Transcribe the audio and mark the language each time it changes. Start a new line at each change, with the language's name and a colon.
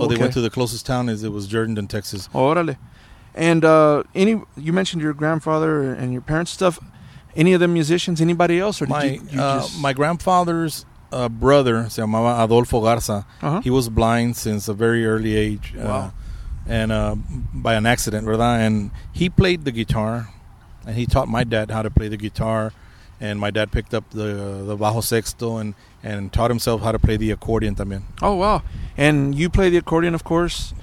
English: so they went to the closest town. It was Jordan, Texas.
Spanish: Orale.
English: And you mentioned your grandfather and your parents' stuff. Any of them musicians? Anybody else? My grandfather's brother,
Spanish: se llamaba Adolfo Garza.
English: Uh-huh. He was blind since a very early age. Wow. And by an accident,
Spanish: ¿verdad?
English: And he played the guitar, and he taught my dad how to play the guitar. And my dad picked up the
Spanish: bajo sexto
English: and taught himself how to play the accordion
Spanish: también.
English: Oh, wow. And you play the accordion, of course.